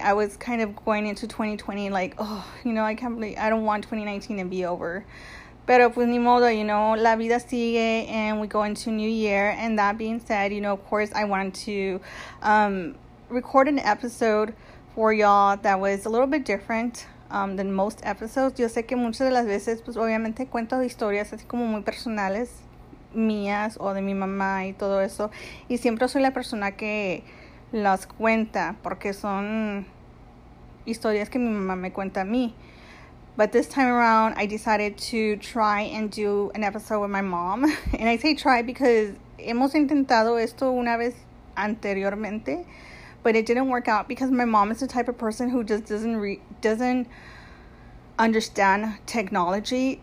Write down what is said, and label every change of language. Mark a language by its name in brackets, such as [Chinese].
[English] I was kind of going into 2020 like, oh, you know, I can't believe, I don't want 2019 to be over. [Spanish] Pero pues ni modo, [English] you know, [Spanish] la vida sigue, [English] and we go into new year. And that being said, you know, of course, I wanted to record an episode for y'all that was a little bit different than most episodes. [Spanish] Yo sé que muchas de las veces, pues obviamente cuento historias así como muy personales mías o de mi mamá y todo eso. Y siempre soy la persona que las cuenta, porque son historias que mi mamá me cuenta a mí. [English] But this time around, I decided to try and do an episode with my mom. And I say try because [Spanish] hemos intentado esto una vez anteriormente, [English] but it didn't work out because my mom is the type of person who just doesn't understand technology.